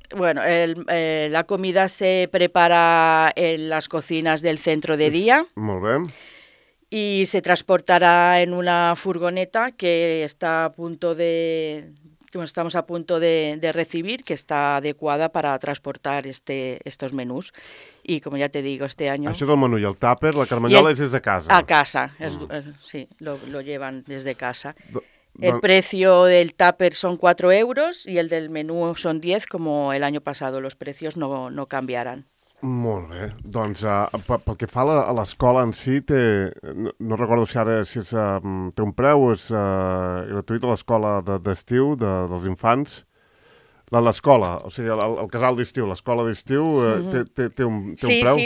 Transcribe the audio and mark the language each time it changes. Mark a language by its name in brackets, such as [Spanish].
[Spanish] Bueno, la comida se prepara en las cocinas del centro de día. [Catalan] Molt bé. [Spanish] Y se transportará en una furgoneta que está a punto de estamos a punto de recibir, que está adecuada para transportar estos menús. Y como ya te digo, este año... [Catalan] Això és el menú i el tàper, la carmanyola és des de casa. [Spanish] A casa, sí, lo llevan desde casa. El precio del tupper son 4 euros y el del menú son 10, como el año pasado. Los precios no cambiarán. [Catalan] Molt bé. Doncs pel que fa a l'escola en si, no recordo si ara si és, té un preu, és gratuït a l'escola d'estiu dels infants. L'escola, o sigui, el casal d'estiu, l'escola d'estiu, té un preu?